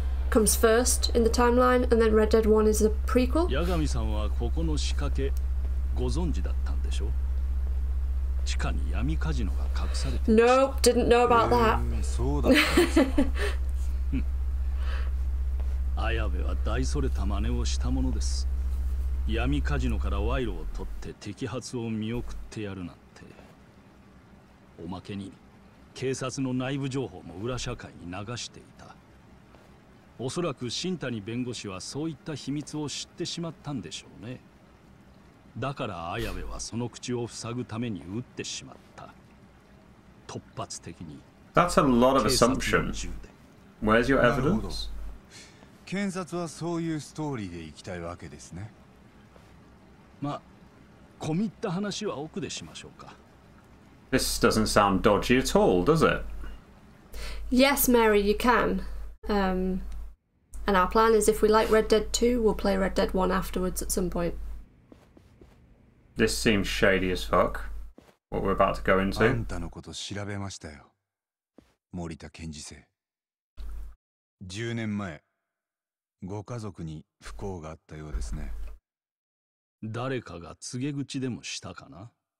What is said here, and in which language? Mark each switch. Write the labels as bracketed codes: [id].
[en] comes first in the timeline, and then Red Dead 1 is a prequel. [ja] Yagami さんはここの仕掛けご存知だったんでしょう。地下に闇カジノが隠されて。 [en] Nope, didn't know about that. [ja] そうだったんですか。綾部は大それた真似をしたものです。闇カジノから賄賂を取って摘発を見送ってやるなんて。おまけに警察の内部情報も裏社会に流していた。おそらく新谷弁護士はそういった秘密を知ってしまったんでしょうね。だから綾部はその口を塞ぐために撃ってしまった。突発的に。 [en] That's a lot of assumptions. Where's your evidence? [ja] 検察はそういうストーリーで行きたいわけですね。まあ、込み入った話は奥でしましょうか。 [en] This doesn't sound dodgy at all, does it? Yes, Mary, you can. And our plan is if we like Red Dead 2, we'll play Red Dead 1 afterwards at some point. This seems shady as fuck. What we're about to go into. [ja] あんたのこと調べましたよ。森田検事生。 10年前、ご家族に不幸があったようですね。誰かが告げ口でもしたかな？